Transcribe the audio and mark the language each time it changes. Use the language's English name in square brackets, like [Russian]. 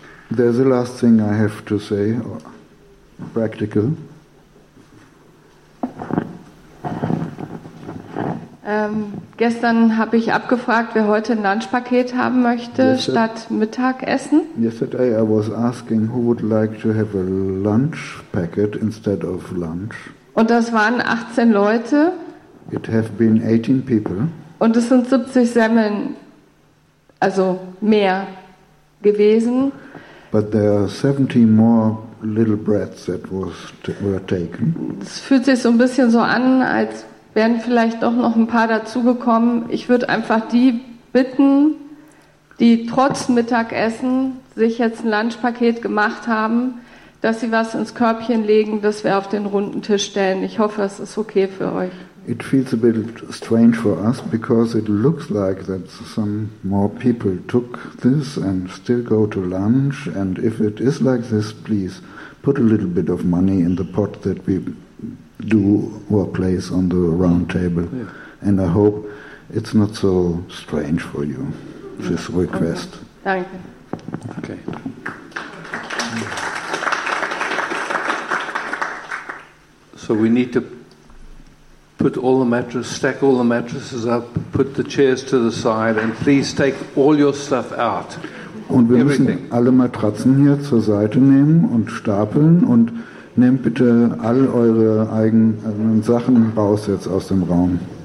[English] There's the last thing I have to say, practical. [German] Gestern habe ich abgefragt, wer heute ein Lunchpaket haben möchte, statt Mittagessen. [English] Yesterday I was asking who would like to have a lunch packet instead of lunch. [German] Und das waren 18 Leute. [English] It have been 18 people. [German] Und es sind 70 Semmeln, also mehr, gewesen. [English] But there are 17 more little breads that were taken. [German] Es fühlt sich so ein bisschen so an, als wären vielleicht doch noch ein paar dazugekommen. Ich würde einfach die bitten, die trotz Mittagessen sich jetzt ein Lunchpaket gemacht haben, dass sie was ins Körbchen legen, das wir auf den runden Tisch stellen. Ich hoffe, es ist okay für euch. [English] It feels a bit strange for us because it looks like that some more people took this and still go to lunch. And if it is like this, please put a little bit of money in the pot that we do or place on the round table. Yeah. And I hope it's not so strange for you, this request. [German] Okay. Danke. Okay. [English] So we need to put all the mattresses, stack all the mattresses up, put the chairs to the side, and please take all your stuff out. [German] Und wir müssen alle Matratzen hier zur Seite nehmen und stapeln und nehmt bitte all eure eigenen Sachen raus jetzt aus dem Raum.